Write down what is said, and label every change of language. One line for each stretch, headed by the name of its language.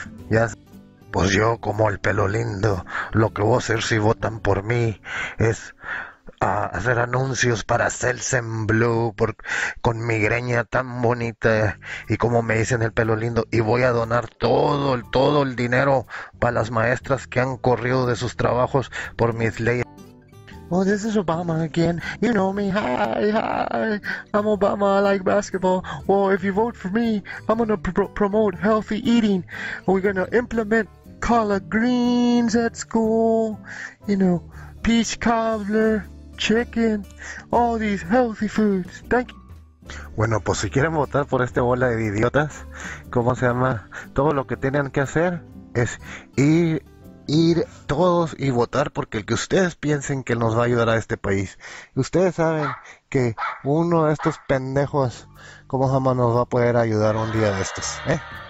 Spanish: Ya, pues yo, como el pelo lindo, lo que voy a hacer si votan por mí es hacer anuncios para Celsen Blue, con mi greña tan bonita y como me dicen el pelo lindo, y voy a donar todo el dinero para las maestras que han corrido de sus trabajos por mis leyes.
English: Oh, this is Obama again. You know me. Hi. I'm Obama. I like basketball. Well, if you vote for me, I'm gonna promote healthy eating. We're gonna implement collard greens at school. You know, peach cobbler, chicken, all these healthy foods. Thank you.
Spanish: Bueno, pues si quieren votar por esta bola de idiotas, ¿cómo se llama? Todo lo que tienen que hacer es ir todos y votar porque el que ustedes piensen que nos va a ayudar a este país. Ustedes saben que uno de estos pendejos, ¿cómo jamás nos va a poder ayudar un día de estos, eh?